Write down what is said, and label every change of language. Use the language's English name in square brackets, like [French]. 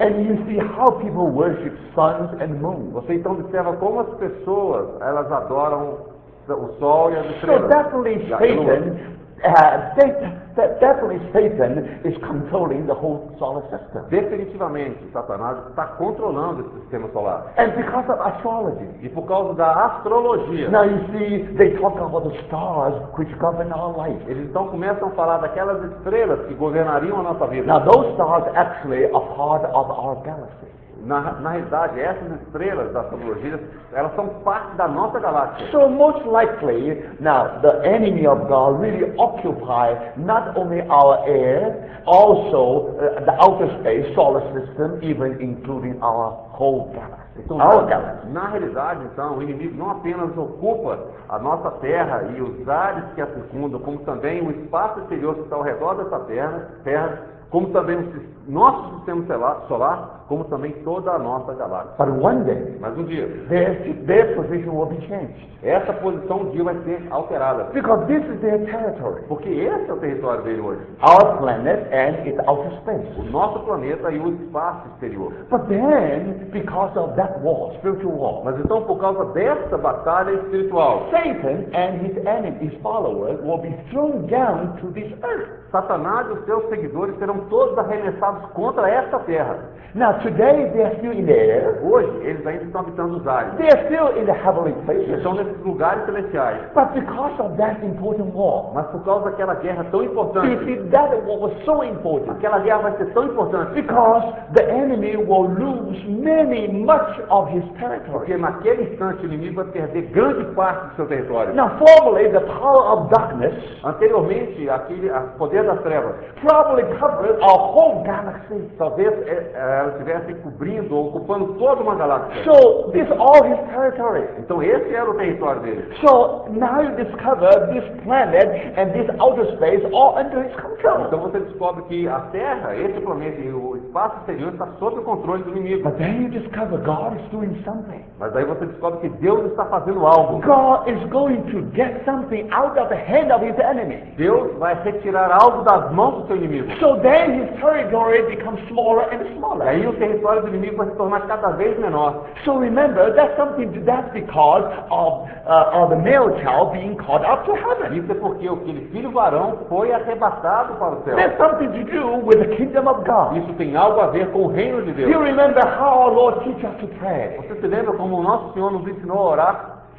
[English] and you see how people worship suns and moons. [Portuguese] Você então observa como as pessoas elas adoram o sol e as estrelas. [English] So definitely Satan, definitely Satan is controlling the whole solar system. [Portuguese] Definitivamente Satanás está controlando esse sistema solar. [English] And because of astrology. [Portuguese] E por causa da astrologia. [English] Now you see, they talk about the stars which govern our life. [Portuguese] Eles então começam a falar daquelas estrelas que governariam a nossa vida. [English] Now those stars actually are part of our galaxy. [Portuguese] Na realidade, essas estrelas da astrologia, elas são parte da nossa galáxia. [English] So most likely, now the enemy of God really occupy not only our air, also the outer space, solar system, even including our whole galaxy. [Portuguese] Então, [English] our galaxy. [Portuguese] Na realidade, então, o inimigo não apenas ocupa a nossa Terra e os ares que a circundam, como também o espaço exterior que está ao redor dessa Terra. Como também nosso sistema solar, como também toda a nossa galáxia. [English] But one day, [Portuguese] mas um dia, [English] their position will be changed. [Portuguese] Essa posição um dia vai ser alterada. [English] Because this is their territory. [Portuguese] Porque esse é o território dele hoje. [English] Our planet and its outer space. [Portuguese] O nosso planeta e o espaço exterior. [English] But then, because of that war, spiritual war. [Portuguese] Mas então, por causa dessa batalha espiritual, [English] Satan and his enemy, his followers, will be thrown down to this earth. [Portuguese] Satanás e os seus seguidores serão todos arremessados contra esta terra. [English] Now, today they are still in the air. [Portuguese] Hoje eles ainda estão habitando os ares. [English] They are still in the heavenly places. [Portuguese] Estão nesses lugares celestiais. [English] But because of that important war, [Portuguese] mas por causa daquela guerra tão importante. [English] If that war was so important, [Portuguese] aquela guerra vai ser tão importante. [English] Because the enemy will lose many much of his territory. [Portuguese] Porque naquele instante o inimigo vai perder grande parte do seu território. [English] Now, formerly the power of darkness. [Portuguese] Anteriormente aquele poder das trevas. [English] Probably covered a whole galaxy. [Portuguese] Talvez ela estivesse cobrindo ou ocupando toda uma galáxia. [English] So this all his territory. [Portuguese] Então esse era o território dele. [English] So now you discover this planet and this outer space all under his control. [Portuguese] Então você descobre que a Terra, esse planeta e o espaço exterior está sob o controle do inimigo. [English] But then you discover God is doing something. [Portuguese] Mas aí você descobre que Deus está fazendo algo. [English] God is going to get something out of the hand of his enemy. [Portuguese] Deus vai retirar algo das mãos do seu inimigo. [English] So then his territory becomes smaller and smaller. [Portuguese] Aí o território do inimigo vai se tornar cada vez menor. [English] So remember, that's something that's because of the male child being caught up to heaven. [Portuguese] Isso é porque o filho varão foi arrebatado para o céu. [English] That's something to do with the kingdom of God. [Portuguese] Isso tem algo a ver com o reino de Deus. [English] You remember how our Lord teach us to pray? [Portuguese] Você se lembra como o nosso Senhor nos ensinou a orar?